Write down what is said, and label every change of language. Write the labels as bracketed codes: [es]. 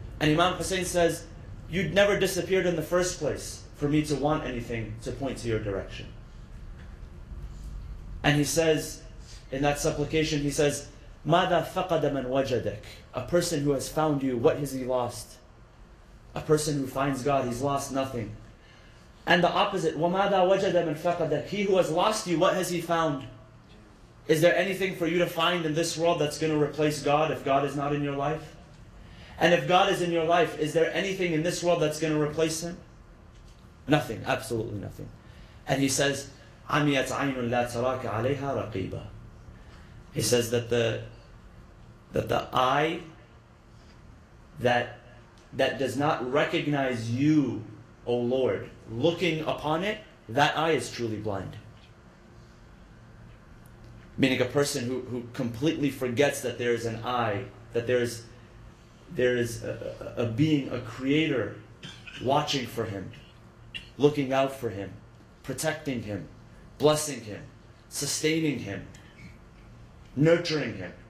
[en] And Imam Hussein says, you'd never disappeared in the first place for me to want anything to point to your direction. And he says, in that supplication, he says, [ar] مَاذَا فَقَدَ مَنْ وَجَدَكَ. [en] A person who has found you, what has he lost? A person who finds God, he's lost nothing. And the opposite, [ar] وَمَاذَا وَجَدَ مَنْ فَقَدَكَ. [en] He who has lost you, what has he found? Is there anything for you to find in this world that's going to replace God if God is not in your life? And if God is in your life, is there anything in this world that's going to replace Him? Nothing, absolutely nothing. And he says, [ar] عَمِيَتْ عَيْنٌ لَا تَرَاكَ عَلَيْهَا رَقِيبًا. [en] He says that the eye that does not recognize you, O Lord, looking upon it, that eye is truly blind. Meaning a person who completely forgets that there is an eye, that there is a being, a creator, watching for him, looking out for him, protecting him, blessing him, sustaining him, nurturing him.